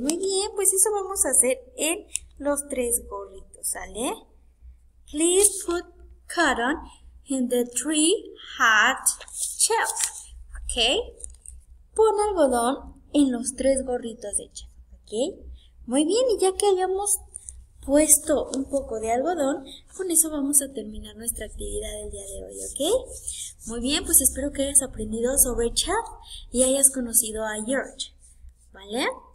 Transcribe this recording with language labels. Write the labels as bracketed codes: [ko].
[es] Muy bien, pues eso vamos a hacer en los tres gorritos, ¿sale? [en] Please put cotton in the three hat chefs, ok? [es] Pon algodón en los tres gorritos de chef, ok? Muy bien, y ya que hayamos puesto un poco de algodón, con eso vamos a terminar nuestra actividad del día de hoy, ¿ok? Muy bien, pues espero que hayas aprendido sobre Chad y hayas conocido a George, ¿vale?